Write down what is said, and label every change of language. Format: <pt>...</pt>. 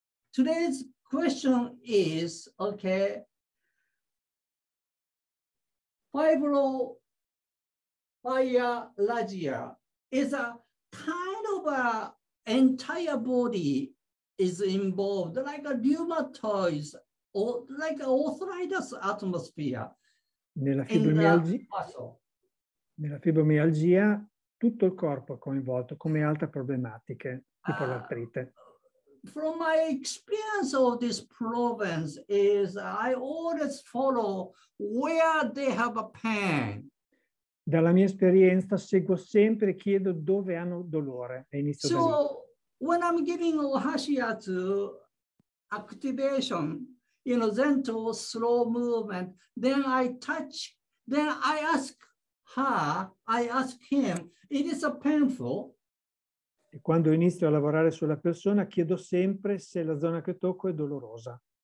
<en>Today's question is, okay, fibromyalgia is a kind of a entire body is involved, like a rheumatoid or like an arthritis atmosphere.</en> <it>Nella fibromialgia tutto il corpo è coinvolto, come altre problematiche, tipo l'artrite.</it> <en>From my experience of this province is I always follow where they have a pain.</en> <it>Dalla mia esperienza seguo sempre e chiedo dove hanno dolore.</it> <en>So, when I'm giving ohashiatsu activation, you know, zento, slow movement, then I touch, then I ask her, I ask him, it is a painful.</en> <it>E quando inizio a lavorare sulla persona, chiedo sempre se la zona che tocco è dolorosa.</it>